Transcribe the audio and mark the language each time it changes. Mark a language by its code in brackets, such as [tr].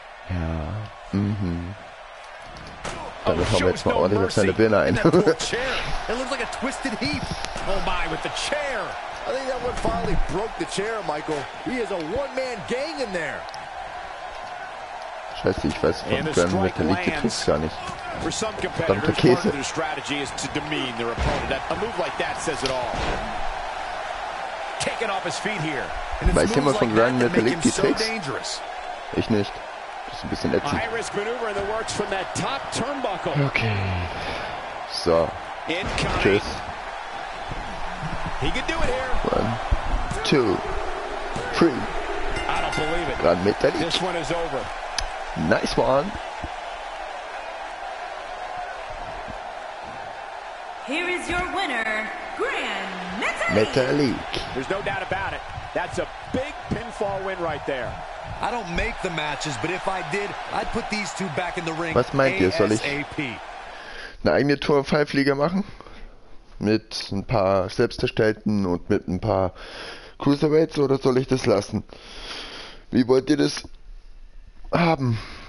[de] Ja, mhm. Dann hauen wir jetzt mal ordentlich auf seine Birne ein. Scheiße, ich weiß von Grand Metallic, die trifft's gar nicht. [en] For some competitors, part of their strategy is to demean their opponent. A move like that says it all. Taking off his feet here. [de] Weiß jemand von Grand Metallic die Tricks? Ich nicht. Das ist ein bisschen ätzend. [en] High risk maneuver in the works from that top turnbuckle. Okay. So. Incoming. Tschüss. He can do it here. One, two, three. I don't believe it. Grand Metallic. This one is over. Nice one. Here is your winner, Grand Metallic. There's no doubt about it. That's a big pinfall win right there. I don't make the matches, but if I did, I'd put these two back in the ring. [de] Was meint ihr, soll ich eine eigene Tour 5 Liga machen? Mit ein paar Selbsterstellten und mit ein paar Cruiserweights, oder soll ich das lassen? Wie wollt ihr das haben?